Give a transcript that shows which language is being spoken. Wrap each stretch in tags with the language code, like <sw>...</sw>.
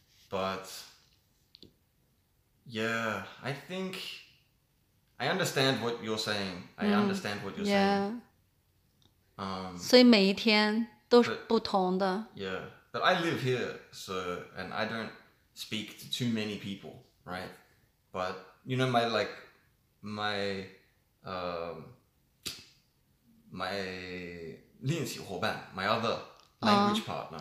<en>But yeah, I think I understand what you're saying.</en> <zh>So 每一天都是不同的。</zh> <en>Yeah, but I live here, so, and I don't speak to too many people. Right, but you know, my 练习伙伴 my other language partner,</en>